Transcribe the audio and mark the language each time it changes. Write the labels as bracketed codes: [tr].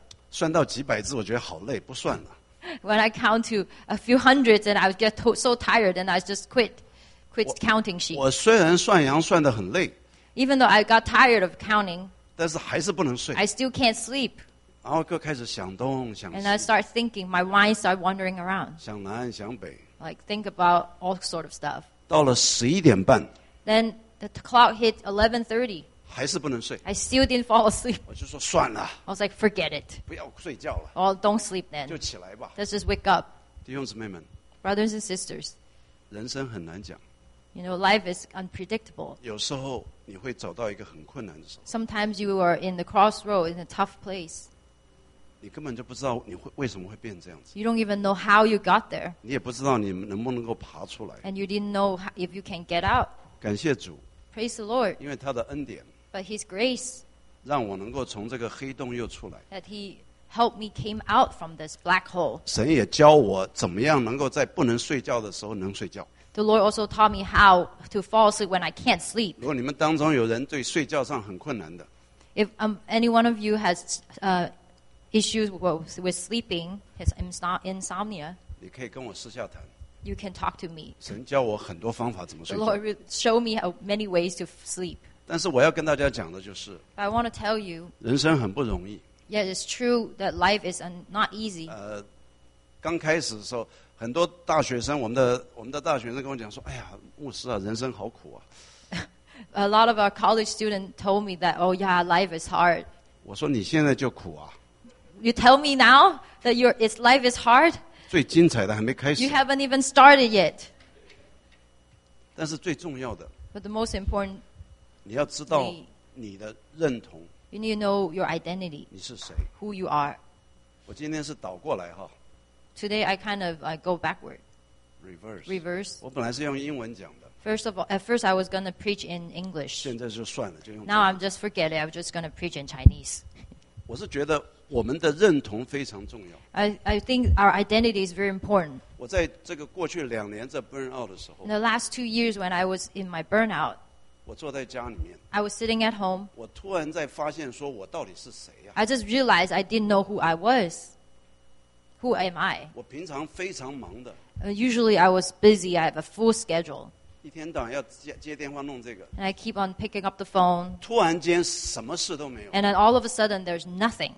[zh] 算到几百只我觉得好累不算了 [en] when I count to a few hundreds and I would get so tired and I just quit counting sheep [zh] 我虽然算羊算得很累 [en] even though I got tired of counting [zh] 但是还是不能睡。 [en] I still can't sleep. [zh] 然后就开始想东想西。 [en] And I start thinking, my mind start wandering around. [zh] 想南想北。 [en] Like think about all sort of stuff. [zh] 到了十一点半。 [en] Then the clock hit 11:30. [zh] 还是不能睡。 [en] I still didn't fall asleep. [zh] 我就说算了。 [en] I was like, forget it. [zh] 不要睡觉了。 [en] Well, don't sleep then. [zh] 就起来吧。 [en] Let's just wake up. [zh] 弟兄姊妹们。 [en] Brothers and sisters. [zh] 人生很难讲。 [en] You know, life is unpredictable. [zh] 有时候你会走到一个很困难的时候。 [en] Sometimes you are in the crossroad in a tough place. [zh] 你根本就不知道你会为什么会变这样子。 [en] You don't even know how you got there. [zh] 你也不知道你能不能够爬出来。 [en] And you didn't know if you can get out. [zh] 感谢主。 [en] Praise the Lord. [zh] 因为他的恩典。 [en] But His grace. [zh] 让我能够从这个黑洞又出来。 [en] That He helped me came out from this black hole. [zh] 神也教我怎么样能够在不能睡觉的时候能睡觉。 [en] The Lord also taught me how to fall asleep when I can't sleep. [zh] 如果你们当中有人对睡觉上很困难的， [en] if any one of you has issues with sleeping, has insomnia, [zh] 你可以跟我私下谈。 [en] You can talk to me. [zh] 神教我很多方法怎么睡觉。 [en] The Lord showed me many ways to sleep. [zh] 但是我要跟大家讲的就是， [en] I want to tell you, [zh] 人生很不容易。 [en] Yet it's true that life is not easy. [zh] 刚开始的时候。很多大学生我们的大学生跟我讲说哎呀牧师啊人生好苦啊 [en] A lot of our college students told me that oh yeah life is hard [zh] 我说你现在就苦啊 [en] You tell me now that life is hard [zh] 最精彩的还没开始 [en] You haven't even started yet [zh] 但是最重要的 [en] But the most important [zh] 你要知道你的认同 [en] You need to know your identity [zh] 你是谁 [en] Who you are [zh] 我今天是倒过来哈 [en] Today, I kind of go backward. Reverse. [zh] 我本来是用英文讲的。 [en] First of all, at first, I was going to preach in English. [zh] 现在就算了，就用。 [en] Now, I'm just forget it. I'm just going to preach in Chinese. [zh] 我是觉得我们的认同非常重要。 [en] I think our identity is very important. [zh] 我在这个过去两年在 burnout 的时候。 [en] In the last 2 years when I was in my burnout. [zh] 我坐在家里面。 [en] I was sitting at home. [zh] 我突然在发现说我到底是谁呀、 [en] 啊、I just realized I didn't know who I was. Who am I? [zh] 我平常非常忙的。 [en] Usually I was busy. I have a full schedule. [zh] 一天到晚要 接电话弄这个。 [en] And I keep on picking up the phone. [zh] 突然间什么事都没有。 [en] And then all of a sudden there's nothing.